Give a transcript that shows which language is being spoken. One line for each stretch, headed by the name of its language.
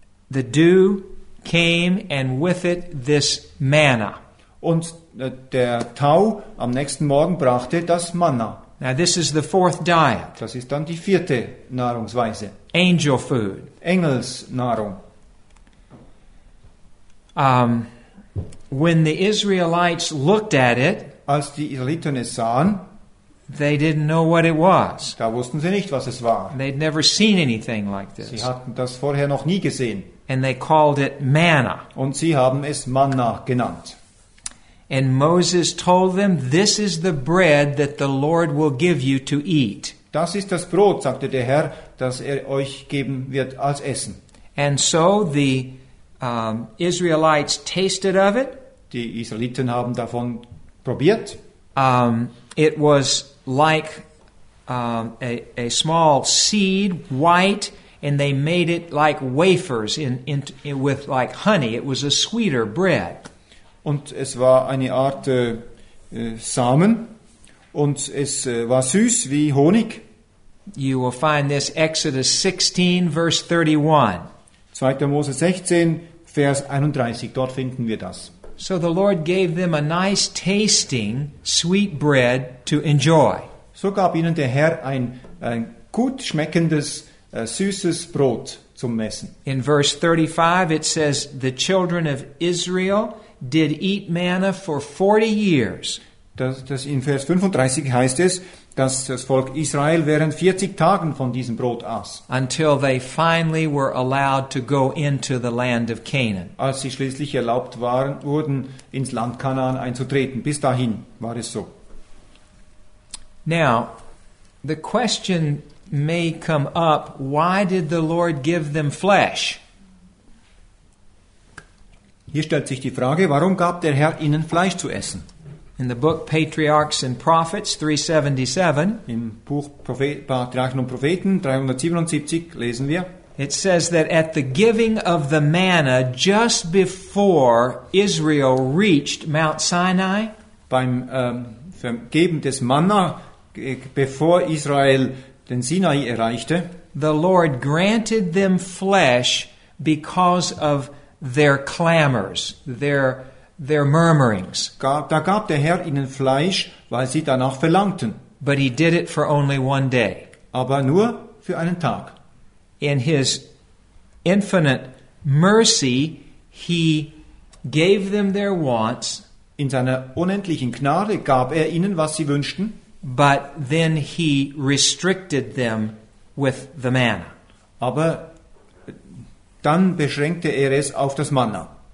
English: the dew came and with it this manna.
German: Und der Tau am nächsten Morgen brachte das Manna.
English: Now this is the fourth diet.
German: Das ist dann die vierte Nahrungsweise.
English: Angel food.
German: Engelsnahrung.
English: When the Israelites looked at it,
German: als die Israeliten es sahen,
English: they didn't know what it was.
German: Da wussten sie nicht, was es war.
English: They'd never seen anything like this.
German: Sie hatten das vorher noch nie gesehen.
English: And they called it manna.
German: Und sie haben es Manna genannt.
English: And Moses told them, "This is the bread that the Lord will give you to eat."
German: Das ist das Brot, sagte der Herr, das er euch geben wird als Essen.
English: And so the Israelites tasted of it.
German: Die Israeliten haben davon probiert.
English: It was like a small seed, white, and they made it like wafers in with like honey. It was a sweeter bread.
German: Und es war eine Art Samen und es war süß wie Honig.
English: You will find this Exodus 16, verse 31.
German: 2. Mose 16, Vers 31, dort finden wir das.
English: So the Lord gave them a nice tasting sweet bread to enjoy.
German: So gab ihnen der Herr ein gut schmeckendes, süßes Brot zum Essen.
English: In verse 35 it says, the children of Israel did eat manna for 40 years.
German: Das in Vers 35 heißt es, dass das Volk Israel während 40 Tagen von diesem Brot aß.
English: Until they finally were allowed to go into the land of Canaan.
German: Als sie schließlich erlaubt waren, wurden ins Land Kanaan einzutreten. Bis dahin war es so.
English: Now, the question may come up, why did the Lord give them flesh?
German: Hier stellt sich die Frage, warum gab der Herr ihnen Fleisch zu essen?
English: In the book Patriarchs and Prophets 377,
German: im Buch Patriarchen und Propheten 377 lesen wir,
English: it says that at the giving of the manna just before Israel reached Mount Sinai,
German: beim Geben des Manna bevor Israel den Sinai erreichte,
English: the Lord granted them flesh because of their clamors, their murmurings.
German: Da gab der Herr ihnen Fleisch, weil sie danach verlangten.
English: But he did it for only one day.
German: Aber nur für einen Tag.
English: In his infinite mercy, he gave them their wants.
German: In seiner unendlichen Gnade gab er ihnen, was sie wünschten.
English: But then he restricted them with the manna.
German: Aber dann beschränkte er es auf das Manna.